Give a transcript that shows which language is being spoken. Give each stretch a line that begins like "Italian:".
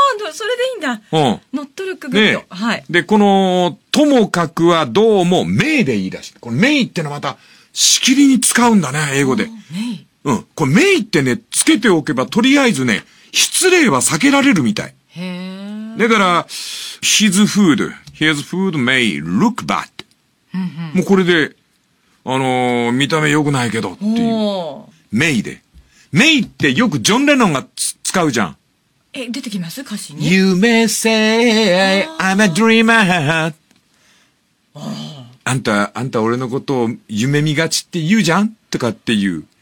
Japanese: それでいいんだ。うん。
English: ノットルックグッド。
Japanese: ね、はい。で、この、ともかくはどうも、メイでいいらしい。このメイってのはまた、しきりに使うんだね、英語で。メイ。うん。これメイってね、つけておけば、とりあえずね、失礼は避けられるみたい。へー。だから、
English: his food, his food may look bad.
Japanese: もうこれで、見た目良くないけどっていう。メイで。メイってよくジョン・レノンが使うじゃん。え、出てきます歌詞に。
English: You may say I'm a dreamer.
Japanese: あんた俺のことを夢見がちって言うじゃんとかっていう。